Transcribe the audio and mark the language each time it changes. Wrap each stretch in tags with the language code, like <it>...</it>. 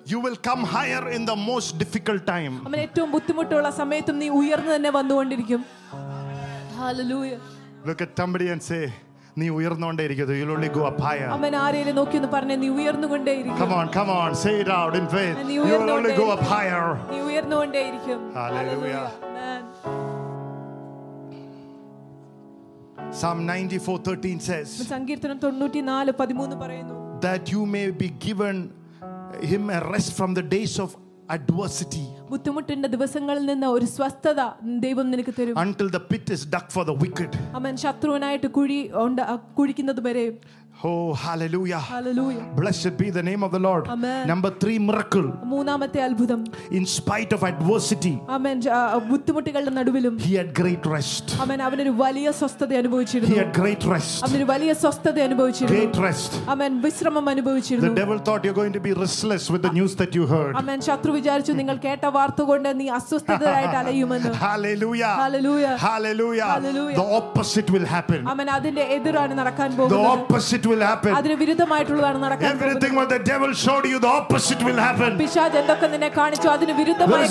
<en>You will come higher in the most difficult time.</en> <ml>അമേ ഏറ്റവും ബുദ്ധിമുട്ടുള്ള സമയത്തും നീ ഉയർന്നു തന്നെ വന്നുകൊണ്ടിരിക്കും.</ml> <en>Hallelujah. Look at somebody and say,</en> <ml>നീ ഉയർന്നുകൊണ്ടേയിരിക്കും.</ml> <en>You will only go up higher.</en> <ml>അമേ ആരെയെങ്കിലും നോക്കി ഒന്ന് പറഞ്ഞേ, നീ ഉയർന്നുകൊണ്ടേയിരിക്കും.</ml> <en>Come on, come on, say it out in faith. You will only go up higher.</en> <ml>നീ ഉയർന്നുകൊണ്ടേയിരിക്കും.</ml> <en>Hallelujah. Psalm 94:13 says.</en> <ml>സംഗീതം 94:13 പറയുന്നു.</ml> <en>That you may be given him a rest from the days of adversity.</en> <ml>ബുദ്ധിമുട്ടിന്റെ ദിവസങ്ങളിൽ നിന്ന് ഒരു സ്വസ്ഥത ദൈവം നിനക്ക് തരും.</ml> <en>Until the pit is dug for the wicked.</en> <ml>Amen ശത്രുവിനായിട്ട് കുഴിക്കുന്നതുവരെ.</ml> <en>Oh hallelujah. Hallelujah. Blessed be the name of the Lord. Amen. Number 3 miracle.</en> <ml>മൂന്നാമത്തെ അത്ഭുതം.</ml> <en>In spite of adversity.</en> <ml>Amen. ബുദ്ധിമുട്ടുകളുടെ നടുവിലും.</ml> <en>He had great rest. Amen.</en> <ml>അവൻ ഒരു വലിയ സ്വസ്ഥത അനുഭവിച്ചിരുന്നു.</ml> <en>He had great rest.</en> <ml>അവൻ ഒരു വലിയ സ്വസ്ഥത അനുഭവിച്ചിരുന്നു.</ml> <en>Great rest.</en> <ml>Amen. വിശ്രമം അനുഭവിച്ചിരുന്നു.</ml> <en>The devil thought you're going to be restless with the news that you heard. Amen.</en> <ml>ശത്രു വിചാരിച്ചു നിങ്ങൾ കേട്ട വാർത്ത കൊണ്ട് നീ അസ്വസ്ഥതയായിട്ട് അലയുമെന്ന്.</ml> <en>Hallelujah. Hallelujah. Hallelujah. Hallelujah. The opposite will happen.</en> <ml>Amen. അതിന്റെ എതിരാണ് നടക്കാൻ പോകുന്നത്.</ml> <en>The opposite will happen.</en> <ml>അതിനെ വിരുദ്ധമായിട്ടുള്ളതാണ് നടക്കുന്നത്.</ml> <en>Everything what the devil showed you the opposite will happen.</en> <ml>പിശാച് എന്തൊക്കെ നിന്നെ കാണിച്ചു അതിനെ വിരുദ്ധമായ കാര്യം.</ml>